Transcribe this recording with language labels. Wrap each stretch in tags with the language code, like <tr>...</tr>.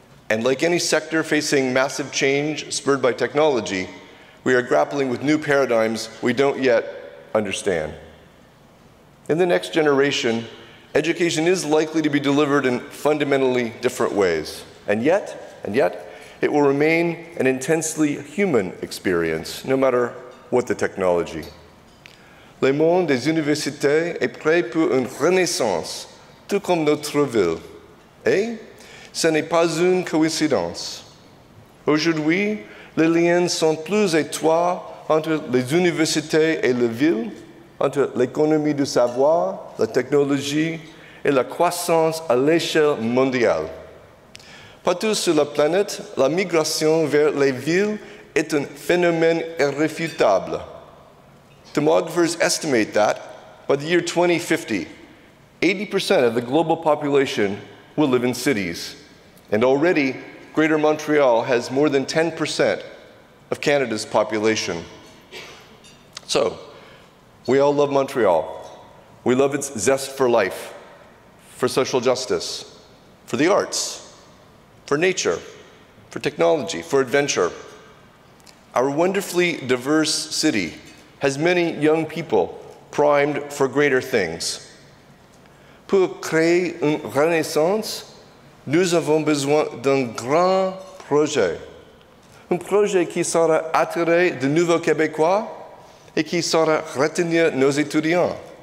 <en>And like any sector facing massive change spurred by technology, we are grappling with new paradigms we don't yet understand. In the next generation, education is likely to be delivered in fundamentally different ways. And yet, it will remain an intensely human experience, no matter what the technology.</en> <fr>Le monde des universités est prêt pour une renaissance, tout comme notre ville. Et ce n'est pas une coïncidence. Aujourd'hui, les liens sont plus étroits entre les universités et la ville, entre l'économie du savoir, la technologie et la croissance à l'échelle mondiale. Partout sur la planète, la migration vers les villes est un phénomène irréfutable.</fr> <en>Demographers estimate that by the year 2050, 80% of the global population will live in cities. And already, Greater Montreal has more than 10% of Canada's population. So, we all love Montreal. We love its zest for life, for social justice, for the arts, for nature, for technology, for adventure. Our wonderfully diverse city has many young people primed for greater things.</en> <fr>Pour créer une renaissance, nous avons besoin d'un grand projet. Un projet qui saura attirer de nouveaux Québécois et qui saura retenir nos étudiants.</fr>